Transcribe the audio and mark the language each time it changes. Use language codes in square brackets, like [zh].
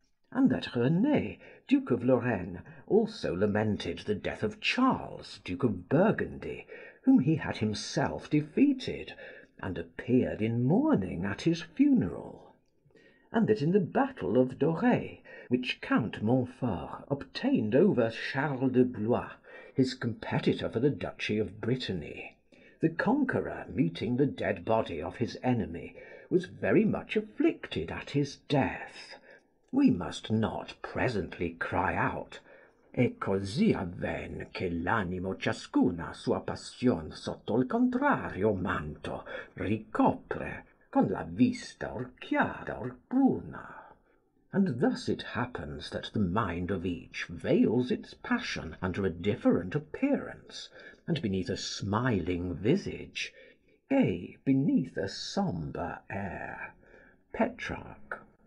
[en] and that René, Duke of Lorraine, also lamented the death of Charles, Duke of Burgundy, whom he had himself defeated, and appeared in mourning at his funeral, and that in the Battle of Doré, which Count Montfort obtained over Charles de Blois, his competitor for the Duchy of Brittany, the conqueror, meeting the dead body of his enemy, was very much afflicted at his death. We must not presently cry out, [it] E così avven che l'animo ciascuna sua passion sotto il contrario manto ricopre con la vista or chiara or bruna. [en] And thus it happens that the mind of each veils its passion under a different appearance, and beneath a smiling visage, yea, beneath a sombre air. Petrarch.